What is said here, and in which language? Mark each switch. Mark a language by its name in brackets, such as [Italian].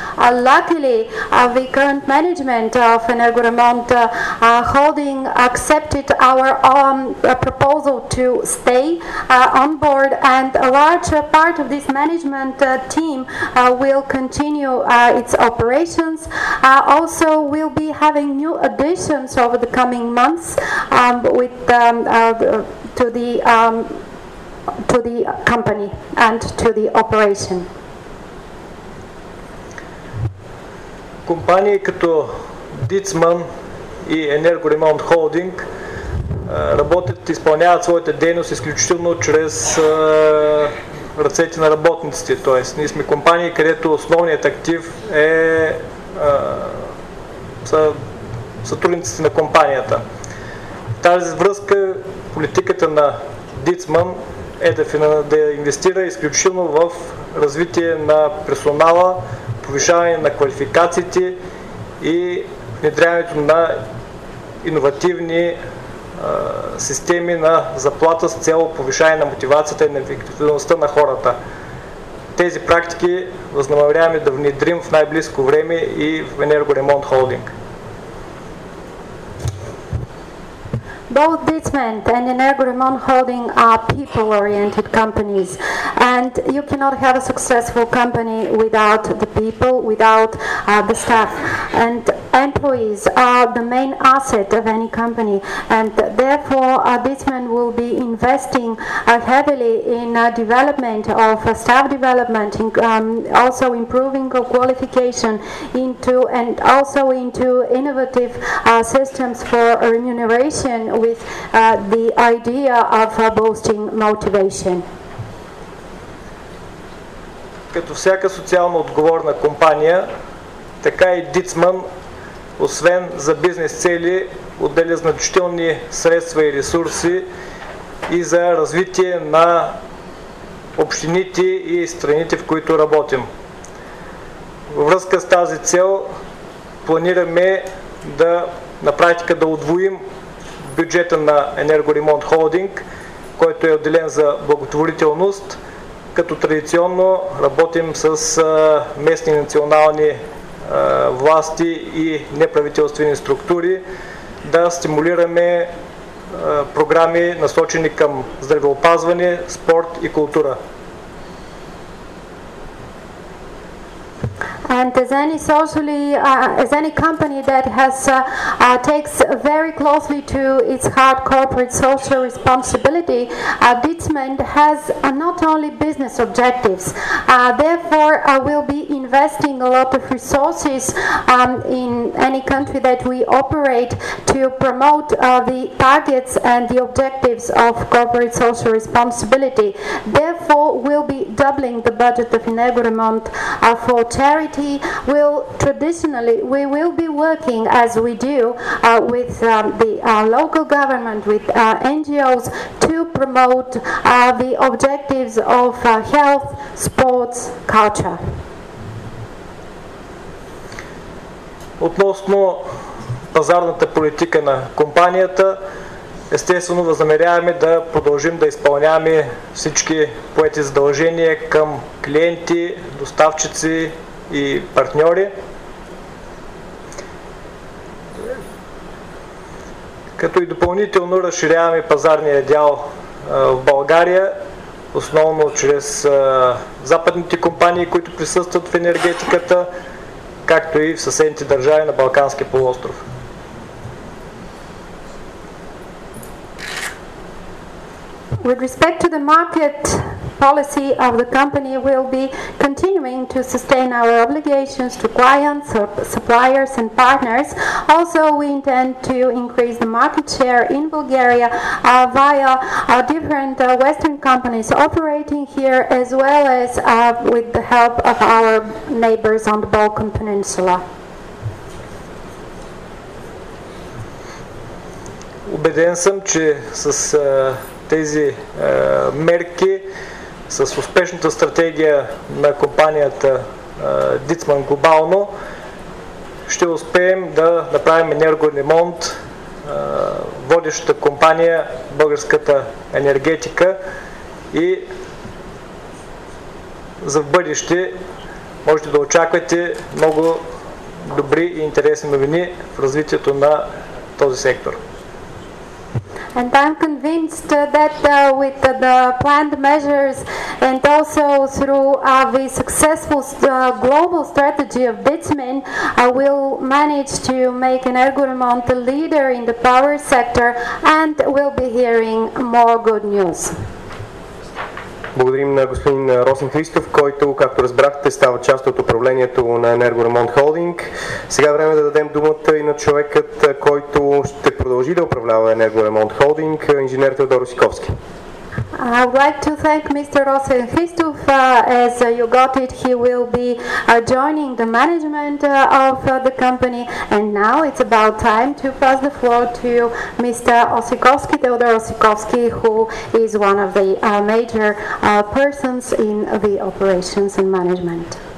[English] Luckily, the current management of Energoremont Holding accepted our proposal to stay on board, and a large part of this management team will continue its operations. Also, we'll be having new additions over the coming months to the company and to the operation. [Bulgarian] Компании като Дицман и Енергоремонт Холдинг работят и изпълняват своята дейност изключително чрез ръцете на работниците. Тоест, ние сме компании, където основният актив е сътрудниците на компанията. В тази връзка политиката на Дицман е да инвестира изключително в развитие на персонала, повишаване на квалификациите и внедряването на иновативни системи на заплата с цел повишаване на мотивацията и на ефективността на хората. Тези практики възнамеряваме да внедрим в най-близко време и в Енергоремонт Холдинг. [English] Both Dicement and Energoremont Holding are people-oriented companies, and you cannot have a successful company without the people, without the staff. And employees are the main asset of any company, and therefore Dicement will be investing heavily in development of staff development, in, also improving qualification into and also into innovative systems for remuneration with the idea of boosting motivation. [Bulgarian] Като всяка социално отговорна компания, така и Дицман, освен за бизнес цели, отделя значителни средства и ресурси и за развитие на общините и страните, в които работим. Във връзка с тази цел, планираме да на практика да удвоим бюджета на Енергоремонт Холдинг, който е отделен за благотворителност, като традиционно работим с местни и национални власти и неправителствени структури, да стимулираме програми, насочени към здравеопазване, спорт и култура. [English] And as any socially, as any company that has takes very closely to its heart corporate social responsibility, Dicement has not only business objectives. Therefore, we'll be investing a lot of resources in any country that we operate to promote the targets and the objectives of corporate social responsibility. Therefore, we'll be doubling the budget of Energoremont for charity. society will traditionally, we will be working as we do with the local government, with NGOs, to promote the objectives of health, sports, culture. [Bulgarian] Относно пазарната политика на компанията, естествено възнамеряваме да продължим да изпълняваме всички поети задължения към клиенти, доставчици и партньори. Като и допълнително разширяваме пазарния дял в България, основно чрез западните компании, които присъстват в енергетиката, както и в съседните държави на Балканския полуостров. [English] With respect to the market policy of the company, we'll be continuing to sustain our obligations to clients, suppliers and partners. Also, we intend to increase the market share in Bulgaria via different Western companies operating here, as well as with the help of our neighbors on the Balkan Peninsula. [Bulgarian] Убеден съм, че с тези мерки, с успешната стратегия на компанията Дицман глобално, ще успеем да направим Енергоремонт водещата компания в българската енергетика и за бъдеще можете да очаквате много добри и интересни новини в развитието на този сектор. [English] And I'm convinced that with the planned measures and also through the successful global strategy of Bitsmin, I will manage to make Energoremont the leader in the power sector and we'll be hearing more good news. [Bulgarian] Благодарим на господин Росен Христов, който, както разбрахте, става част от управлението на Енергоремонт Холдинг. Сега време да дадем думата и на човекът, който ще продължи да управлява Енергоремонт Холдинг, инженер Теодор Осиковски. [English] I would like to thank Mr. Rosen Christoph. As you got it, he will be joining the management of the company. And now it's about time to pass the floor to Mr. Osikovsky, Theodor Osikovsky, who is one of the major persons in the operations and management.